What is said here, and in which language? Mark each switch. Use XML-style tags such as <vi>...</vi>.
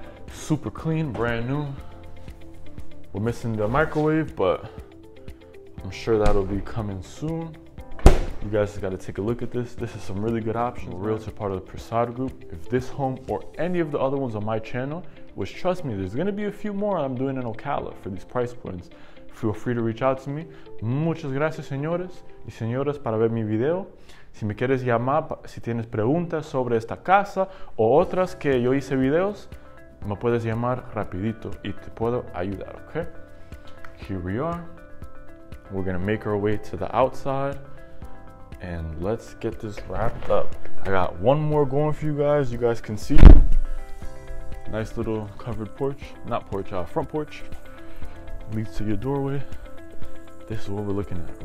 <en>Super clean, brand new. We're missing the microwave, but I'm sure that'll be coming soon. You guys have got to take a look at this. This is some really good options. We're Realtor, part of the Prasad Group. If this home or any of the other ones on my channel, which trust me, there's going to be a few more I'm doing in Ocala for these price points, feel free to reach out to me.</en> <es>Muchas gracias, señores y señoras, para ver mi video. Si me quieres llamar, si tienes preguntas sobre esta casa o otras que yo hice videos, me puedes llamar rapidito y te puedo ayudar, okay?</es> <en>Here we are. We're gonna make our way to the outside and let's get this wrapped up. I got one more going for you guys. You guys can see. Nice little covered porch. Not porch, front porch. Leads to your doorway. This is what we're looking at.</en>